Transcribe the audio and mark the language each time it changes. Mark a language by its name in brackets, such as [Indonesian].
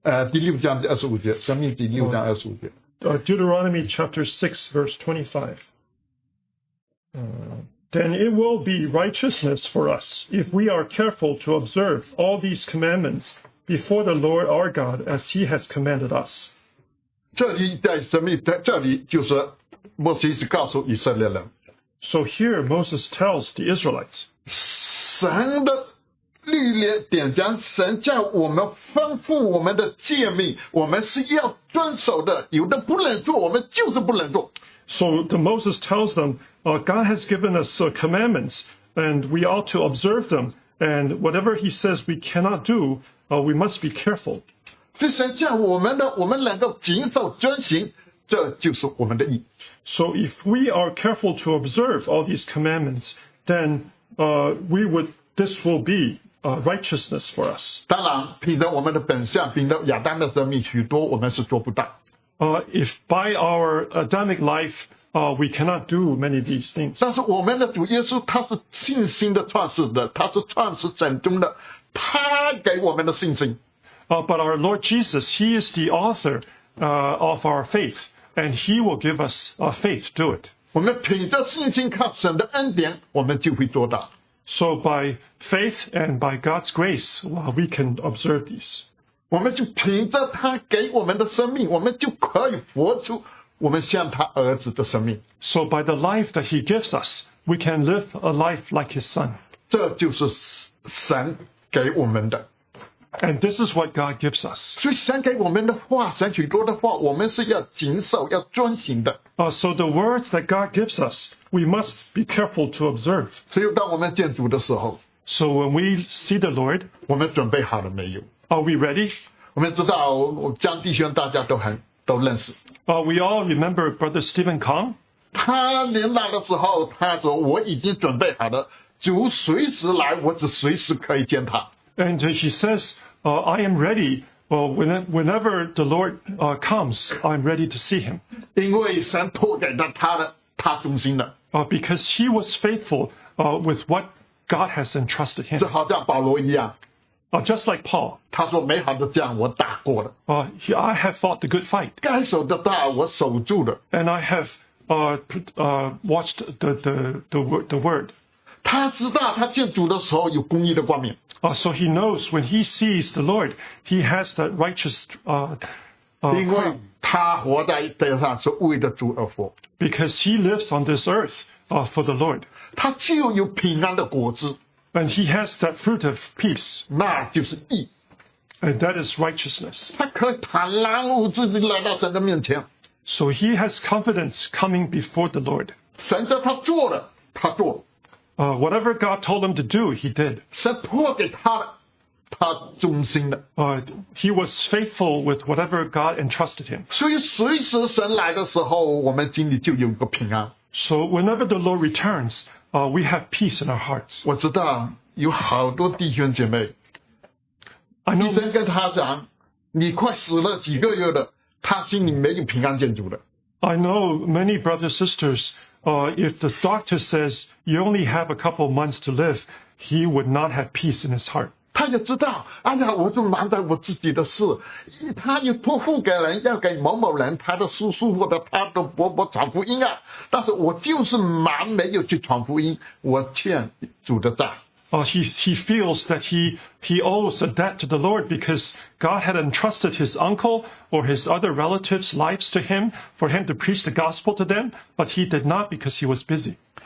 [Chinese] 第六章二十五节，生命记六章二十五节。 [English] Deuteronomy chapter 6 verse 25. Then it will be righteousness for us if we are careful to observe all these commandments before the Lord our God as he has commanded us. [Chinese] 这里在生命，在这里就是摩西是告诉以色列人。 [English] So here Moses tells the Israelites. [Chinese] 神的律例典章，神叫我们吩咐我们的诫命，我们是要遵守的，有的不能做，我们就是不能做。 [English] So the Moses tells them, God has given us commandments, and we ought to observe them, and whatever he says we cannot do, we must be careful. [Chinese] 所以神叫我们的，我们能够谨守遵行，这就是我们的义。 [English] So if we are careful to observe all these commandments, then we would, this will be righteousness for us. [Chinese] 当然，凭着我们的本相，凭着亚当的生命，许多我们是做不到。 [English] If by our Adamic life, we cannot do many of these things. [Chinese] 但是我们的主耶稣，他是信心的创始的，他是创始成终的，他给我们的信心。 [English] But our Lord Jesus, he is the author of our faith, and he will give us a faith to do it. [Chinese] 我们凭着信心靠神的恩典，我们就会做到。 [English] So by faith and by God's grace, well, we can observe these. [Chinese] 我们就凭着他给我们的生命，我们就可以活出我们像他儿子的生命。 [English] So by the life that he gives us, we can live a life like his son. [Chinese] 这就是神给我们的。 [English] And this is what God gives us. [Chinese] 所以神给我们的话，神许多的话，我们是要谨守，要遵行的。 [English] So the words that God gives us, we must be careful to observe. [Chinese] 所以当我们见主的时候， [English] So when we see the Lord, [Chinese] 我们准备好了没有？ [English] Are we ready? [Chinese] 我们知道江弟兄大家都认识。 [English] We all remember Brother Stephen Kong. [Chinese] 他年老的时候，他说我已经准备好了，主随时来，我只随时可以见他。 [English] And she says, I am ready. Whenever the Lord comes, I'm ready to see him. [Chinese] 因为神托给了他的，他忠心的。 [English] Because he was faithful with what God has entrusted him. [Chinese] 就好像保罗一样。 [English] Just like Paul. [Chinese] 他说美好的仗我打过了。 [English] I have fought the good fight. [Chinese] 该守的道我守住了。 [English] And I have watched the word. [Chinese] 他知道他见主的时候有公义的冠冕。 [English] So he knows when he sees the Lord, he has that righteous, [Chinese] 因为他活在地上是为了主而活。 [English] Because he lives on this earth, for the Lord. [Chinese] 他就有平安的果子。 [English] And he has that fruit of peace. [Chinese] 那就是义。 [English] And that is righteousness. [Chinese] 他可以坦然无惧地来到神的面前。 [English] So he has confidence coming before the Lord. [Chinese] 神叫他做了，他做了。 [English] Whatever God told him to do, he did. [Chinese] 神托给他的，他忠心的。 [English] He was faithful with whatever God entrusted him. [Chinese] 所以随时神来的时候，我们心里就有个平安。 [English] So whenever the Lord returns, we have peace in our hearts. [Chinese] 我知道有好多弟兄姐妹。医生跟他讲，你快死了几个月了，他心里没有平安建筑的。 [English] I know many brothers and sisters, if the doctor says you only have a couple of months to live, he would not have peace in his heart. [Chinese] 他也知道，哎呀，我就忙在我自己的事。他一托付给人，要给某某人，他的叔叔或者他的伯伯传福音啊。但是我就是忙，没有去传福音，我欠主的债。 [English] He feels that he owes a debt to the Lord because God had entrusted his uncle or his other relatives' lives to him for him to preach the gospel to them, but he did not because he was busy.